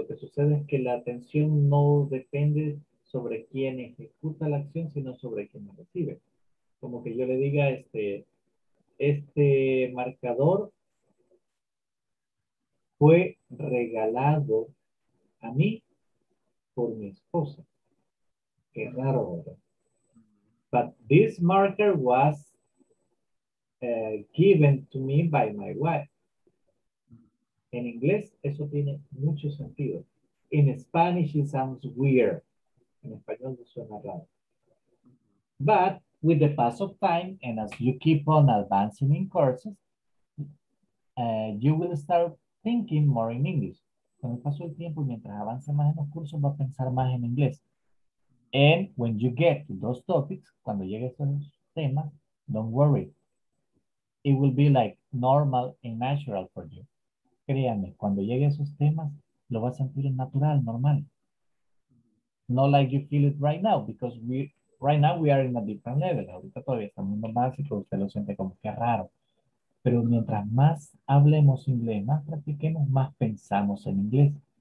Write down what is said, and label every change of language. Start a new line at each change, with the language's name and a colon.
Spanish: Lo que sucede es que la atención no depende sobre quién ejecuta la acción, sino sobre quién la recibe. Como que yo le diga, este marcador fue regalado a mí por mi esposa. Qué raro, ¿verdad?
English: But this marker was given to me by my wife.
Spanish: En inglés eso tiene mucho sentido.
English: In Spanish it sounds weird.
Spanish: En español no suena raro.
English: But with the pass of time, and as you keep on advancing in courses, you will start thinking more in English.
Spanish: Con el paso del tiempo, mientras avance más en los cursos, va a pensar más en inglés.
English: And when you get to those topics,
Spanish: cuando llegues a esos temas,
English: don't worry. It will be like normal and natural for you.
Spanish: Créanme, cuando llegue a esos temas, lo va a sentir natural, normal.
English: not like you feel it right now, because right now we are in a different level.
Spanish: Ahorita todavía estamos en lo básico, usted lo siente como que raro. Pero mientras más hablemos inglés, más practiquemos, más pensamos en inglés.